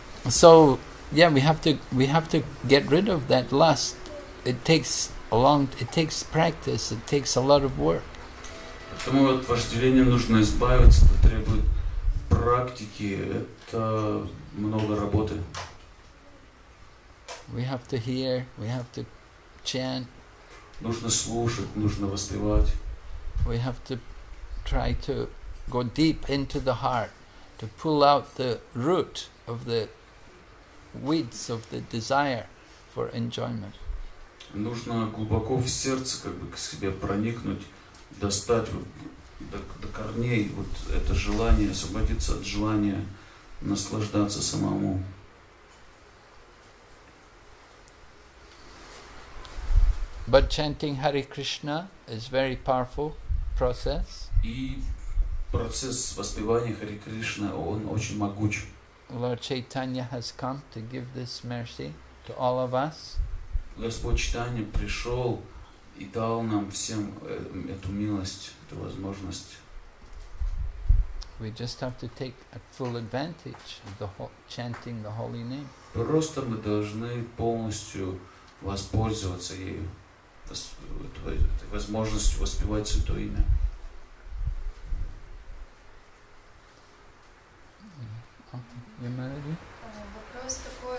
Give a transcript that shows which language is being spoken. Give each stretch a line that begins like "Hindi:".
English: So, yeah, we have to get rid of that lust. It takes practice. It takes a lot of work.
Russian: Поэтому от вожделения нужно избавиться. Это требует практики. Это много работы.
English: We have to hear. We have to chant.
Russian: Нужно слушать, нужно воспевать.
English: We have to try to go deep into the heart, to pull out the root of the weeds of the desire for enjoyment.
Russian: Нужно глубоко в сердце как бы к себе проникнуть, достать вот, до корней вот это желание, освободиться от желания наслаждаться самому.
English: But chanting Hare Krishna is very powerful process.
Russian: И процесс воспевания Хари Кришна, он очень могуч.
English: Lord Chaitanya has come to give this mercy to all of us.
Russian: Господь Чайтанья пришел и дал нам всем эту милость, эту возможность.
English: We just have to take a full advantage of the chanting the holy name.
Russian: Просто мы должны полностью воспользоваться ею. Возможность воспевать Святое Имя. Вопрос такой.